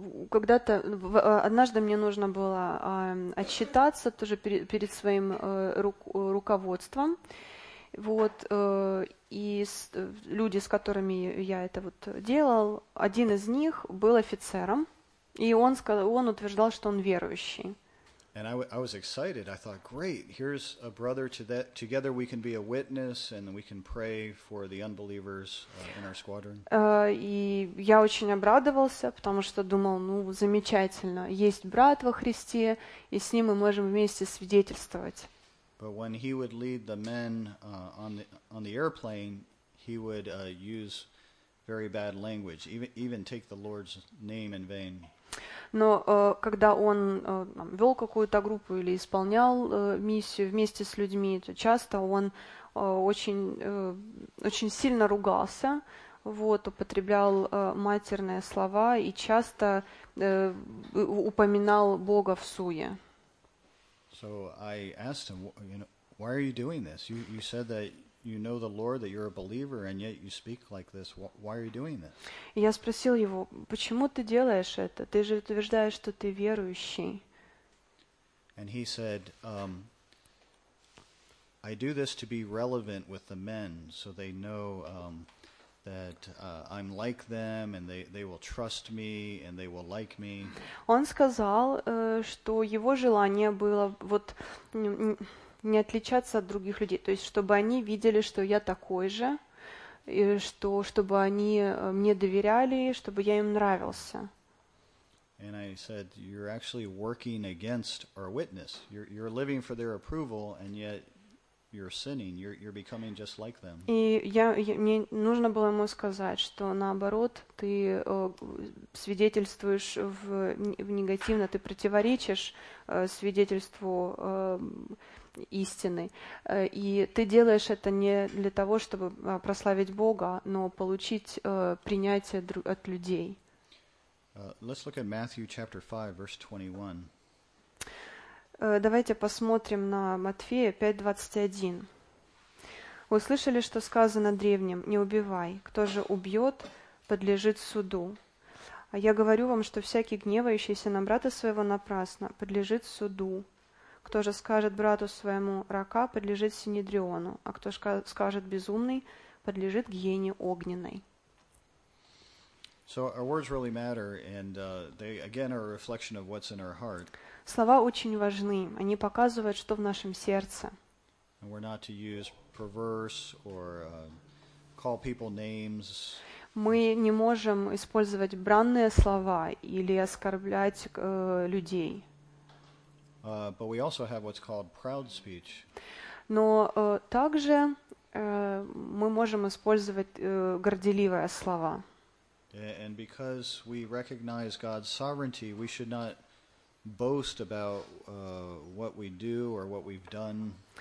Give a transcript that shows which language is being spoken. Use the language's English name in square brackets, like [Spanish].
[Russian] Когда-то однажды мне нужно было отчитаться тоже перед своим руководством. Вот люди, с которыми я это вот делал, один из них был офицером, и он утверждал, что он верующий. [English] And I was excited. I thought, great, here's a brother to that. Together we can be a witness and we can pray for the unbelievers in our squadron. [Russian] И я очень обрадовался, потому что думал, ну, замечательно, есть брат во Христе, и с ним мы можем вместе свидетельствовать. [English] But when he would lead the men on the airplane, he would use very bad language, even take the Lord's name in vain. [Russian] Но когда он вел какую-то группу или исполнял миссию вместе с людьми, то часто он очень сильно ругался, вот, употреблял матерные слова и часто упоминал Бога в суе. [English] So I asked him, you know, why are you doing this? You said that you know the Lord, that you're a believer, and yet you speak like this. Why are you doing this? [Russian] Я спросил его, почему ты делаешь это? Ты же утверждаешь, что ты верующий. [English] And he said, I do this to be relevant with the men, so they know that I'm like them, and they will trust me, and they will like me. [Russian] Он сказал, что его желание было вот не отличаться от других людей, то есть чтобы они видели, что я такой же, и чтобы они мне доверяли, чтобы я им нравился. [English] And I said, you're actually working against our witness. You're living for their approval, and yet you're sinning. You're becoming just like them. [Russian] И мне нужно было ему сказать, что наоборот, ты свидетельствуешь в негативно, ты противоречишь свидетельству истины. И ты делаешь это не для того, чтобы прославить Бога, но получить принятие от людей. [English] Let's look at Matthew chapter 5, verse 21. [Russian] Давайте посмотрим на Матфея 5:21. «Услышали, что сказано древним, не убивай, кто же убьет, подлежит суду. А я говорю вам, что всякий гневающийся на брата своего напрасно подлежит суду. Кто же скажет брату своему рака, подлежит синедриону, а кто скажет безумный, подлежит гиене огненной». [English] So our words really matter, and they again are a reflection of what's in our heart. [Russian] Слова очень важны. Они показывают, что в нашем сердце. [English] And we're not to use perverse or call people names. [Russian] Мы не можем использовать бранные слова или оскорблять людей. [English] But we also have what's called proud speech. [Russian] Но также мы можем использовать горделивые слова. [English] And because we recognize God's sovereignty, we should not boast about what we do or what we've done.